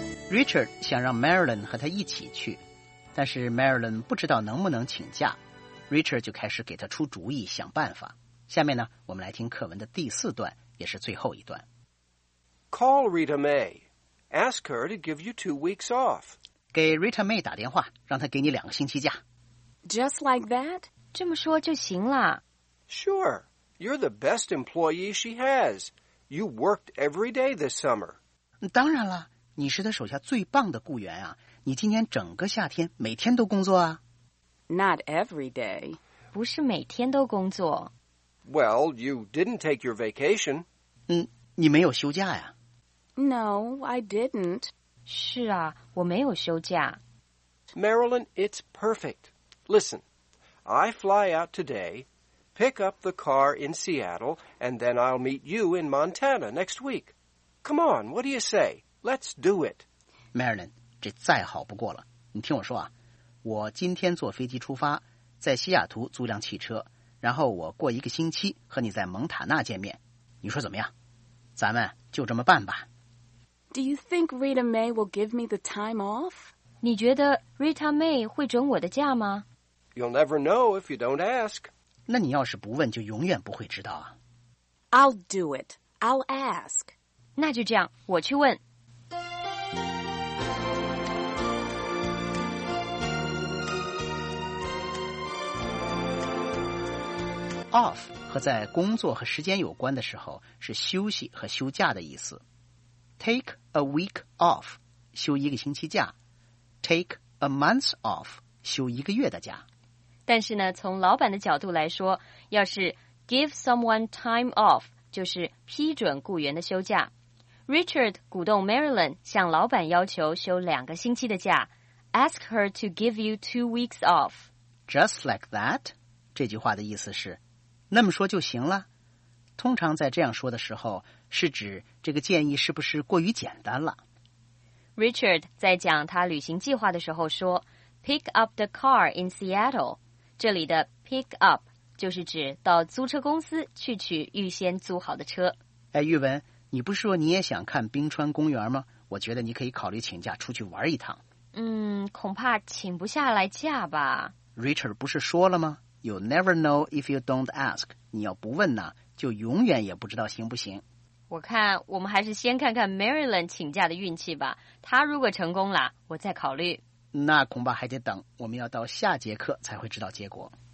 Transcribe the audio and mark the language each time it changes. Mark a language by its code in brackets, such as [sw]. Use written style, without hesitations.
[zh] Richard 想让 Marilyn 和他一起去，但是 Marilyn 不知道能不能请假， Richard 就开始给他出主意想办法。下面呢，我们来听课文的第四段，也是最后一段。 [en] Call Rita May. Ask her to give you 2 weeks off. [zh] 给 Rita May 打电话，让她给你2个星期假。 [en] Just like that? [zh] 这么说就行了。 [en] Sure. You're the best employee she has. You worked every day this summer. [zh] 当然了，你是他手下最棒的雇员啊，你今天整个夏天每天都工作啊。 [en] Not every day. [zh] 不是每天都工作。 [en] Well, you didn't take your vacation. [zh] 你没有休假呀。 [en] No, I didn't. [zh] 是啊，我没有休假。 [en] Marilyn, it's perfect. Listen, I fly out today, pick up the car in Seattle, and then I'll meet you in Montana next week. Come on, what do you say? Let's do it. [zh] Marilyn, 这再好不过了。你听我说啊，我今天坐飞机出发，在西雅图租辆汽车，然后我过一个星期和你在蒙塔纳见面。你说怎么样？咱们就这么办吧。 [en] Do you think Rita May will give me the time off? [zh] 你觉得 Rita May 会准我的假吗？ [en] You'll never know if you don't ask. [zh] 那你要是不问，就永远不会知道啊。 [en] I'll do it. I'll ask. [zh] 那就这样，我去问。 Off 和在工作和时间有关的时候是休息和休假的意思。 [en] Take a week off [zh] 休一个星期假， [en] Take a month off [zh] 休一个月的假。但是呢，从老板的角度来说，要是 [en] give someone time off [zh] 就是批准雇员的休假。 Richard 鼓动 Marilyn 向老板要求休2个星期的假， [en] Ask her to give you 2 weeks off. Just like that [zh] 这句话的意思是那么说就行了。通常在这样说的时候，是指这个建议是不是过于简单了。 Richard 在讲他旅行计划的时候说 [en] Pick up the car in Seattle， [zh] 这里的 [en] pick up [zh] 就是指到租车公司去取预先租好的车。哎，玉文，你不是说你也想看冰川公园吗？我觉得你可以考虑请假出去玩一趟。恐怕请不下来假吧。 Richard 不是说了吗？ [en] You never know if you don't ask. [zh] 你要不问呢，就永远也不知道行不行。我看我们还是先看看 Marilyn 请假的运气吧。她如果成功了，我再考虑。那恐怕还得等，我们要到下节课才会知道结果。